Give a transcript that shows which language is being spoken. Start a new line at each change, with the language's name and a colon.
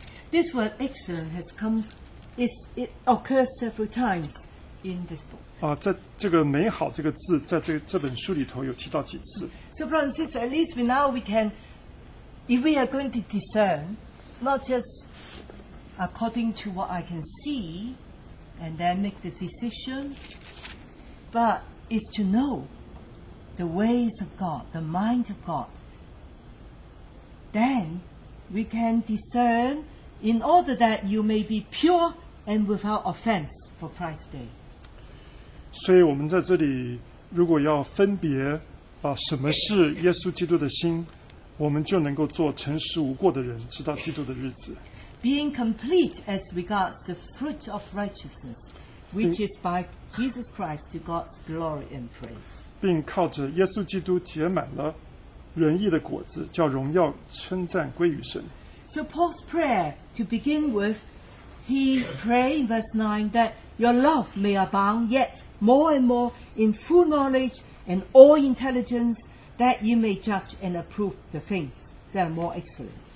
English: This word excellent has come, it occurs several times in this book.
Chinese: 在这个美好这个字在这本书里头有提到几次。
English: So brothers and sisters, at least now we can, if we are going to discern, not just according to what I can see, and then make the decision, but is to know the ways of God, the mind of God. Then we can discern in order that you may be pure and without offense for Christ's day.
Chinese: 所以我们在这里如果要分别什么是耶稣基督的心，我们就能够做诚实无过的人，直到基督的日子。
English: Being complete as regards the fruit of righteousness,Which is by Jesus Christ to God's glory and praise.
Chinese: 并靠着耶稣基督结满了仁义的果子，叫荣耀称赞归于神。
English: So Paul's prayer to begin with, he pray in verse 9 that your love may abound yet more and more in full knowledge and all intelligence, that you may judge and approve the things that are more excellent.